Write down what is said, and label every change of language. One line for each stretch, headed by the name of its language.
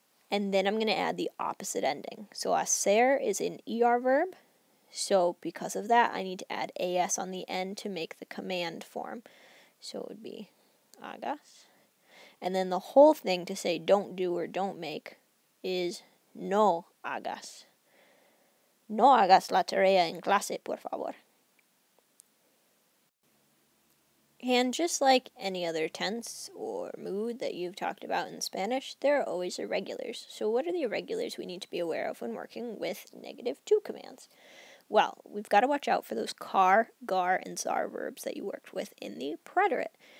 English: And then I'm going to add the opposite ending. So hacer is an ER verb. So because of that, I need to add AS on the end to make the command form. So it would be hagas. And then the whole thing to say don't do or don't make is no hagas.
Spanish: No hagas la tarea en clase, por favor.
English: And just like any other tense or mood that you've talked about in Spanish, there are always irregulars. So what are the irregulars we need to be aware of when working with negative to commands? Well, we've got to watch out for those car, gar, and zar verbs that you worked with in the preterite.